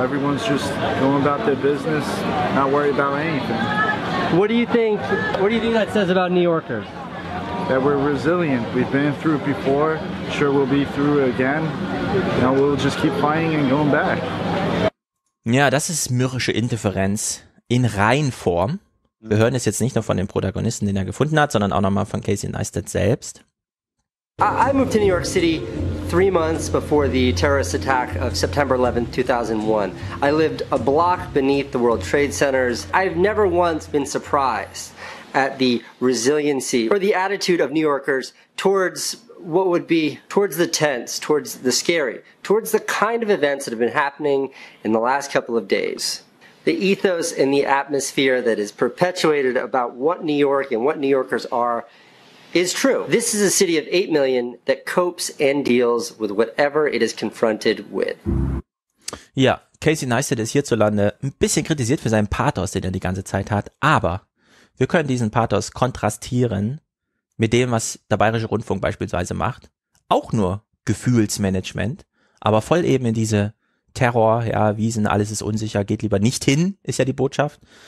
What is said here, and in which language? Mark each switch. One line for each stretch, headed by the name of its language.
English: Everyone's just going about their business, not worried about anything. What do you think that says about New Yorkers? That we're resilient. We've been through it before. Sure, we'll be through it again. Now we'll just keep fighting and going back.
German: Ja, das ist mürrische Indifferenz in Reinform. Wir hören es jetzt nicht nur von dem Protagonisten, den er gefunden hat, sondern auch nochmal von Casey Neistat selbst.
English: I moved to New York City 3 months before the terrorist attack of September 11, 2001. I lived a block beneath the World Trade Centers. I've never once been surprised at the resiliency or the attitude of New Yorkers towards what would be towards the tense, towards the scary, towards the kind of events that have been happening in the last couple of days. The ethos and the atmosphere that is perpetuated about what New York and what New Yorkers are is true. This is a city of 8 million that copes and deals with whatever it is confronted with.
German: Ja, Casey Neistat ist hierzulande ein bisschen kritisiert für seinen Pathos, den er die ganze Zeit hat, aber wir können diesen Pathos kontrastieren mit dem, was der Bayerische Rundfunk beispielsweise macht. Auch nur Gefühlsmanagement, aber voll eben in diese Terror, ja, Wiesen, alles ist unsicher, geht lieber nicht hin, ist ja die Botschaft.